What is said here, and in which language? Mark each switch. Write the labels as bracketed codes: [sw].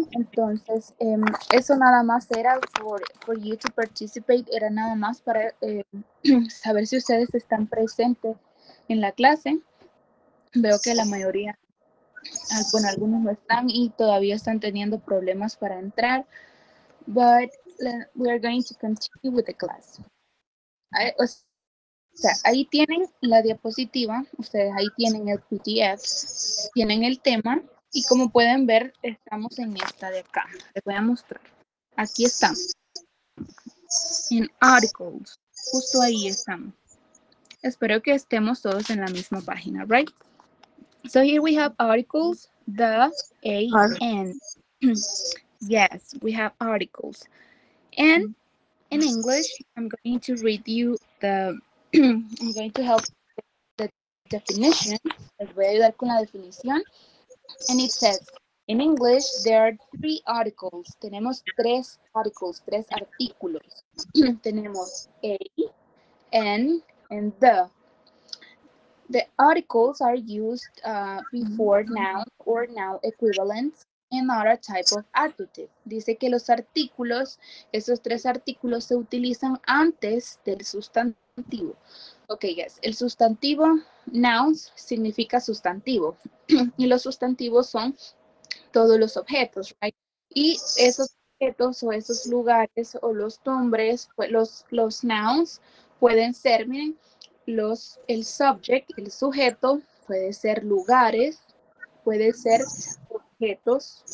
[es] Entonces, eso nada más era [en] for you to participate. [es] Era nada más para saber si ustedes están presentes en la clase. Veo que la mayoría, bueno, algunos no están y todavía están teniendo problemas para entrar. [en] But we are going to continue with the class. [es] O sea, ahí tienen la diapositiva. Ustedes ahí tienen el PDF. Tienen el tema. Y como pueden ver, estamos en esta de acá. Les voy a mostrar. Aquí estamos. En articles. Justo ahí estamos. Espero que estemos todos en la misma página, right? [en] So here we have articles. The A N. Yes, we have articles. And in English, I'm going to read you the... I'm going to help the definition. [es] Les voy a ayudar con la definición. [en] And it says, in English, there are three articles. [es] Tenemos tres articles, tres artículos. Tenemos a, an, and the. [en] The articles are used before noun or noun equivalents and other type of adjective. [es] Dice que los artículos, esos tres artículos, se utilizan antes del sustantivo. [en] Okay, yes. [es] El sustantivo, nouns, significa sustantivo. Y los sustantivos son todos los objetos, right? Y esos objetos o esos lugares o los nombres, los nouns, pueden ser, miren, el subject, el sujeto, puede ser lugares, puede ser objetos.